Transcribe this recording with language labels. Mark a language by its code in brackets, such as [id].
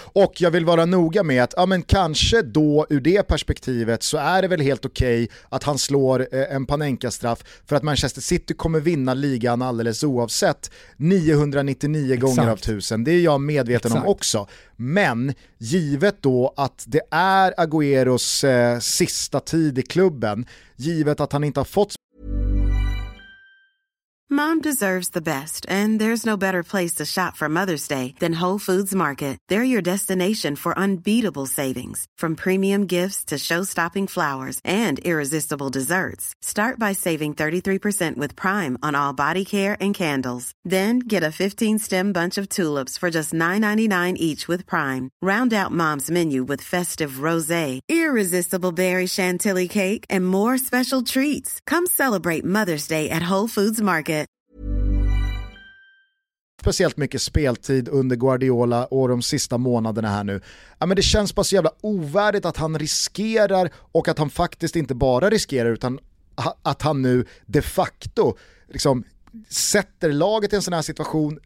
[sv] Och jag vill vara noga med att ja, men kanske då ur det perspektivet så är det väl helt okej att han slår en Panenka-straff för att Manchester City kommer vinna ligan alldeles oavsett 999 exakt. Gånger av 1000. Det är jag medveten exakt. Om också. Men givet då att det är Agüeros sista tid i klubben, givet att han inte har fått... [en] Mom deserves the best, and there's no better place to shop for Mother's Day than Whole Foods Market. They're your destination for unbeatable savings, from premium gifts to show-stopping flowers and irresistible desserts. Start by saving 33% with Prime on all body care and candles. Then get a 15-stem bunch of tulips for just $9.99 each with Prime. Round out Mom's menu with festive rosé, irresistible berry chantilly cake, and more special treats. Come celebrate Mother's Day at Whole Foods Market. [sv] Speciellt mycket speltid under Guardiola och de sista månaderna här nu. Ja, men det känns bara så jävla ovärdigt att han riskerar, och att han faktiskt inte bara riskerar utan att han nu de facto liksom sätter laget i en sån här situation.